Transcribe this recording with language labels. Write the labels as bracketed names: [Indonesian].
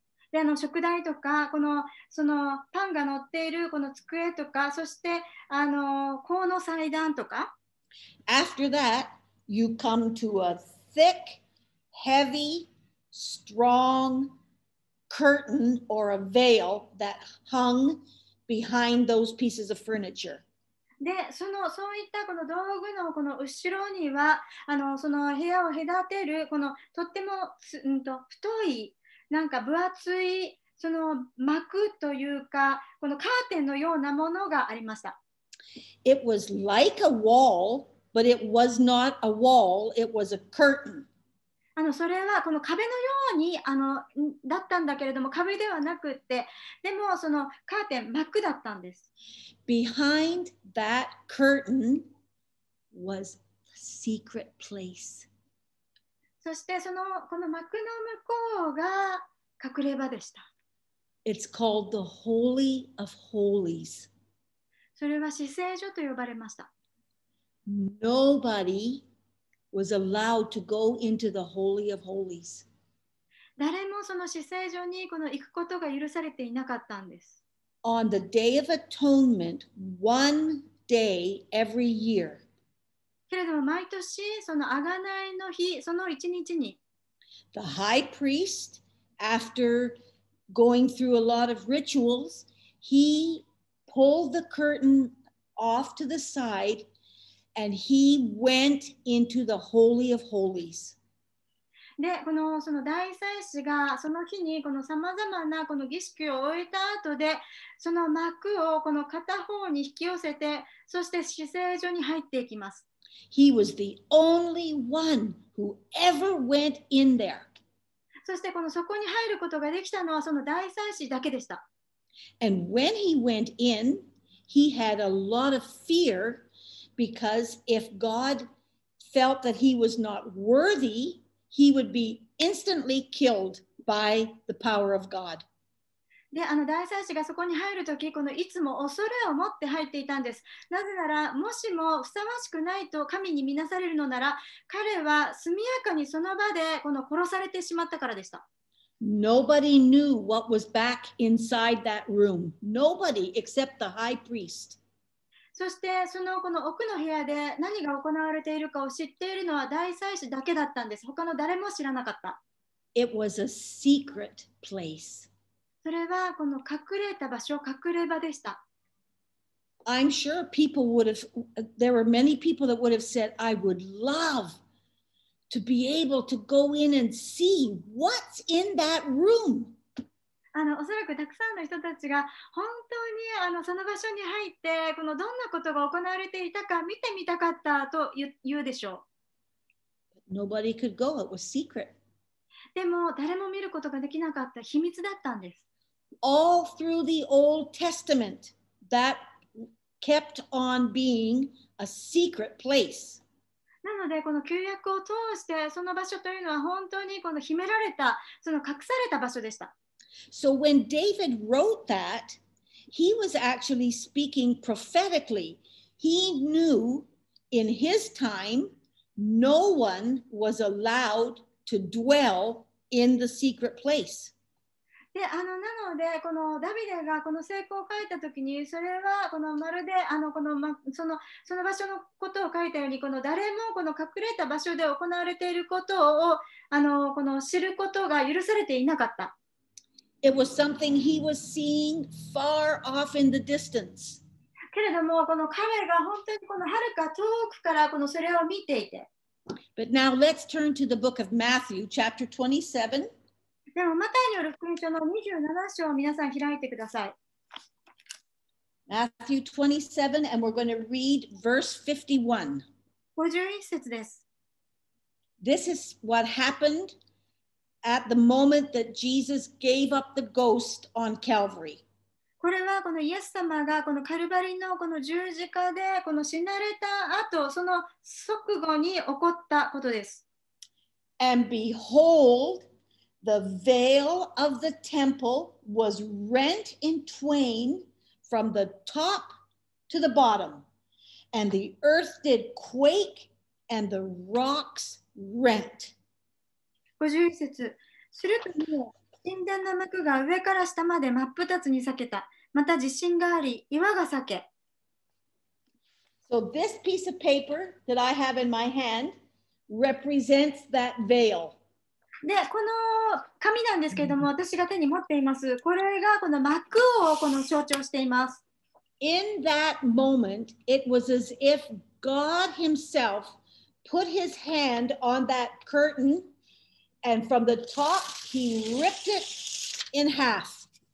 [Japanese] で、食材とか、この、そのパンが乗っているこの机とか、そして、香の祭壇とか。 [English] After that, you come to a thick, heavy, strong curtain or a veil that hung behind those pieces of furniture. [Japanese] で、その、そういったこの道具のこの後ろには、その部屋を隔てる、このとっても、太い、なんか分厚い、その膜というか、このカーテンのようなものがありました。 [English] It was like a wall, but it was not a wall, it was a curtain. [Japanese] それはこの壁のようにだったんだけれども、壁ではなくって、でもそのカーテン、膜だったんです。 [English] Behind that curtain was the secret place. [Japanese] そしてそのこの膜の向こうが隠れ場でした。 [English] It's called the Holy of Holies. [Japanese] それは至聖所と呼ばれました。 [English] Nobody was allowed to go into the Holy of Holies. [Japanese] 誰もその至聖所にこの行くことが許されていなかったんです。 [English] On the Day of Atonement, one day every year. [Japanese] けれども毎年その贖いの日、その一日に。 [English] The high priest, after going through a lot of rituals, he pulled the curtain off to the side and he went into the Holy of Holies. [Japanese] で、この、その大祭司がその日にこの様々なこの儀式を終えた後で、その幕をこの片方に引き寄せて、そして至聖所に入っていきます。 [English] He was the only one who ever went in there. [Japanese] そしてこのそこに入ることができたのはその大祭司だけでした。 [English] And when he went in, he had a lot of fear. Because if God felt that he was not worthy, he would be instantly killed by the power of God. [Japanese] で、大祭司がそこに入るとき、このいつも恐れを持って入っていたんです。なぜなら、もしもふさわしくないと神に見なされるのなら、彼は速やかにその場でこの殺されてしまったからでした。 [English] Nobody knew what was back inside that room. Nobody except the high priest. [Japanese] そしてそのこの奥の部屋で何が行われているかを知っているのは大祭司だけだったんです。他の誰も知らなかった。 [English] It was a secret place. [Japanese] それはこの隠れた場所、隠れ場でした。 [English] I'm sure people would have, there were many people that would have said, I would love to be able to go in and see what's in that room. [Japanese] おそらくたくさんの人たちが本当にその場所に入ってこのどんなことが行われていたか見てみたかったと言うでしょう。 [English] Nobody could go. It was secret. [Japanese] でも誰も見ることができなかった秘密だったんです。 [English] All through the Old Testament, that kept on being a secret place. [Japanese] なのでこの旧約を通してその場所というのは本当にこの秘められたその隠された場所でした。 [English] So when David wrote that, he was actually speaking prophetically. He knew in his time, no one was allowed to dwell in the secret place. [Japanese] で、なので、このダビデがこの聖句を書いたときに、それはこのまるでこのま、その場所のことを書いたように、この誰もこの隠れた場所で行われていることをこの知ることが許されていなかった。 [English] It was something he was seeing far off in the distance. [Japanese] けれども、この彼が本当にこの遥か遠くからこのそれを見ていて。 [English] But now let's turn to the book of Matthew, chapter 27. [Japanese] でも、マタイによる福音書の27章を皆さん開いてください。 [English] Matthew 27, and we're going to read verse 51. [Japanese] 51節です。 [English] This is what happened. At the moment that Jesus gave up the ghost on Calvary. [Japanese] これはこのイエス様がこのカルバリのこの十字架でこの死なれた後、その即後に起こったことです。 [English] And behold, the veil of the temple was rent in twain from the top to the bottom, and the earth did quake and the rocks rent. [Japanese] 51節するともう神殿の幕が上から下まで真っ二つに裂けた。また地震があり、岩が裂け。 [English] So this piece of paper that I have in my hand represents that veil. [Japanese] で、この紙なんですけれども、私が手に持っています。これがこの幕をこの象徴しています。 [English] In that moment, it was as if God himself put his hand on that curtain and from the top he ripped it in half.